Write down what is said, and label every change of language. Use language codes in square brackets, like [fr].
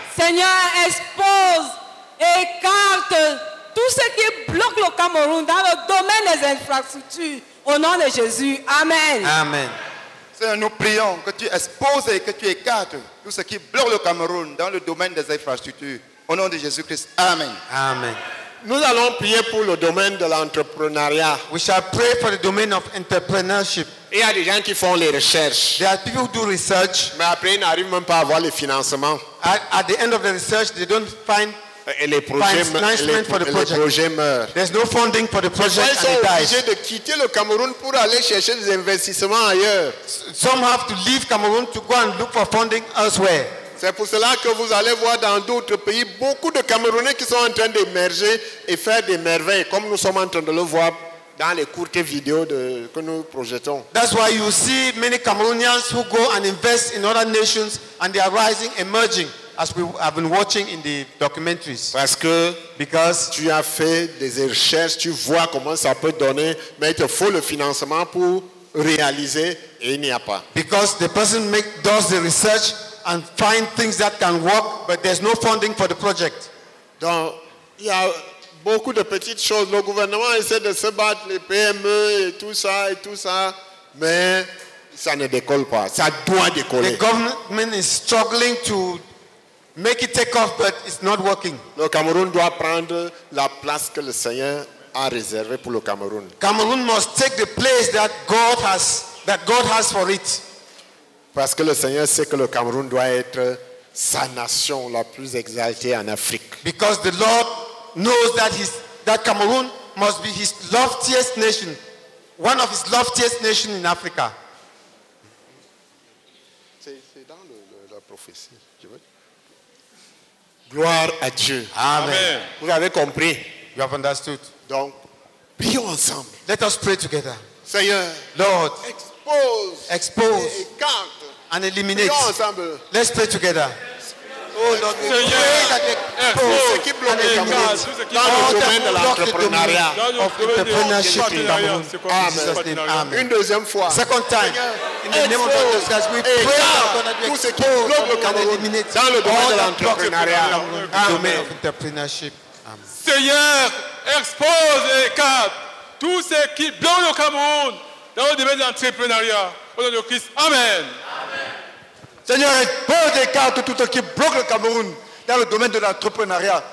[fr] Seigneur, expose et écarte tout ce qui bloque le Cameroun dans le domaine des infrastructures. Au nom de Jésus. Amen. Amen. Seigneur, nous prions que tu exposes et que tu écartes tout ce qui bloque le Cameroun dans le domaine des infrastructures. Au nom de Jésus-Christ. Amen. Amen. Nous allons prier pour le domaine de l'entrepreneuriat. [en] We shall pray for the domain of entrepreneurship. [fr] Il y a des gens qui font les recherches. [en] There are people who do research. [fr] Mais après, ils n'arrivent même pas à avoir les financements. [en] At the end of the research, they don't find [fr] financement [en] for the project. [fr] Les projets meurent. [en] There's no funding for the project. [fr] Ils sont obligés de quitter le Cameroun pour aller chercher des investissements ailleurs. [en] Some have to leave Cameroon to go and look for funding elsewhere. [fr] C'est pour cela que vous allez voir dans d'autres pays beaucoup de Camerounais qui sont en train d'émerger et faire des merveilles, comme nous sommes en train de le voir dans les courtes vidéos que nous projetons. [en] That's why you see many Cameroonians who go and invest in other nations and they are rising, emerging, as we have been watching in the documentaries. [fr] Parce que [en] because [fr] tu as fait des recherches, tu vois comment ça peut donner, mais il te faut le financement pour réaliser et il n'y a pas. [en] Because the person does the research and find things that can work, but there's no funding for the project. [fr] Donc, il y a beaucoup de petites choses. Le gouvernement essaie de se battre, les PME et tout ça, mais Ça ne décolle pas. Ça doit décoller. [en] The government is struggling to make it take off, but it's not working. [fr] Le Cameroun doit prendre la place que le Seigneur a réservée pour le Cameroun. [en] Cameroun must take the place that God has for it. [fr] Parce que le Seigneur sait que le Cameroun doit être sa nation la plus exaltée en Afrique. [en] Because the Lord knows that Cameroon must be his loftiest nation, one of his loftiest nations in Africa. [fr] C'est dans la prophétie. Gloire à Dieu. Amen. Vous avez compris. [en] You have understood. [fr] Donc, prions ensemble. [en] Let us pray together. [fr] Seigneur. [en] Lord. [fr] Expose. Écarte. [en] And eliminate. [fr] Prions ensemble. [en] Let's pray together. Oh Lord, Seigneur. Expose. And eliminate. [fr] Dans le domaine de l'entrepreneuriat. [en] Of entrepreneurship in Cameroun. Amen. Amen. [fr] Une deuxième fois. [en] Second time. In the name of Jesus Christ, we pray for those who are going to be able to eliminate all the blocks in the domain of entrepreneurship. Amen. [fr] Seigneur, expose et écarte tous ceux qui bloquent le Cameroun dans le domaine de l'entrepreneuriat. Au nom de Christ, Amen. Amen. Seigneur, expose et écarte tous ceux qui bloquent le Cameroun dans le domaine de l'entrepreneuriat.